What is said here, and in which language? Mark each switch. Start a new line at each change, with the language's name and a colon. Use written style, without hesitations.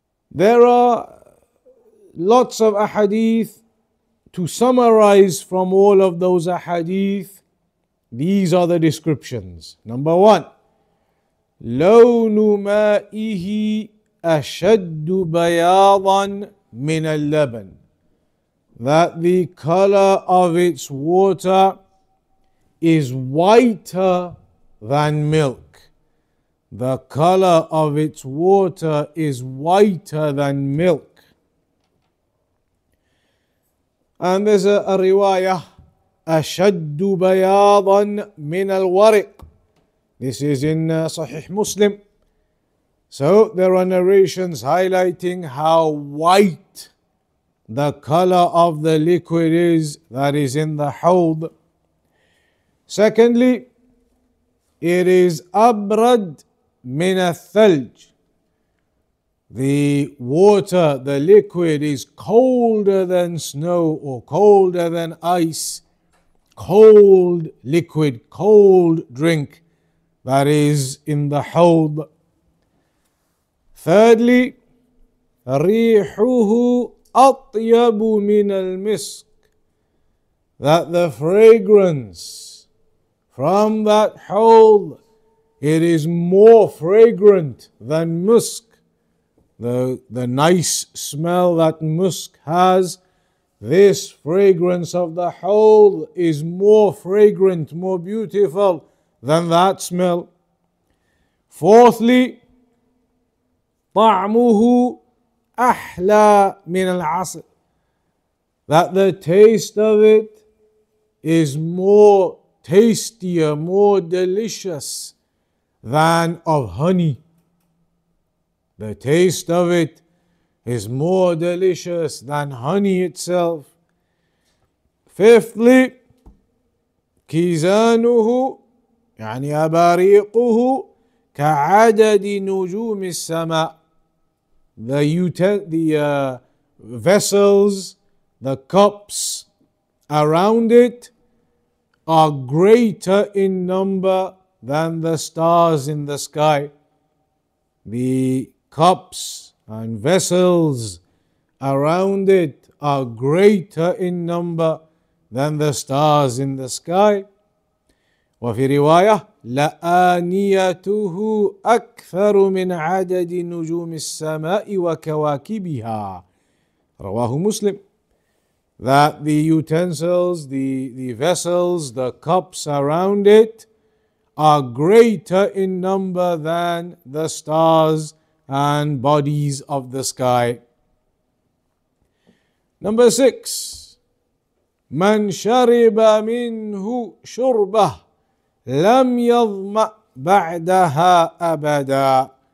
English: There are lots of ahadith. To summarize from all of those ahadith, these are the descriptions. Number one,
Arabic: لَوْنُ مَائِهِ أَشَدُّ بَيَاضًا مِنَ اللَّبَنِ.
English: That the color of its water is whiter than milk. The color of its water is whiter than milk. And there's a riwayah,
Arabic: أَشَدُّ بَيَاضًا مِنَ الْوَرِقِ.
English: This is in Sahih Muslim. So there are narrations highlighting how white the color of the liquid is that is in the Hawḍ. Secondly, it is
Arabic: أَبْرَدْ مِنَ الثَّلْجِ.
English: The water, the liquid, is colder than snow or colder than ice. Cold liquid, cold drink that is in the Hawḍ. Thirdly,
Arabic: رِيحُهُ أَطْيَبُ مِنَ الْمِسْكِ.
English: That the fragrance from that Hawḍ, it is more fragrant than musk. The nice smell that musk has, this fragrance of the Hawḍ is more fragrant, more beautiful than that smell. Fourthly,
Arabic: طَعْمُهُ أَحْلَى مِنَ الْعَصْرِ.
English: That the taste of it is more tastier, more delicious than of honey. The taste of it is more delicious than honey itself. Fifthly,
Arabic: كِزَانُهُ يعني أَبَارِيقُهُ كَعَدَدِ نُجُومِ السَّمَاءِ.
English: The vessels, the cups around it are greater in number than the stars in the sky. The cups and vessels around it are greater in number than the stars in the sky.
Arabic: وفي رواية لآنيته أكثر من عدد نجوم السماء وكواكبها. رواه مسلم.
English: That the utensils, the vessels, the cups around it are greater in number than the stars and bodies of the sky. Number six,
Arabic: من شرب منه شربة لم يظمأ بعدها أبدا.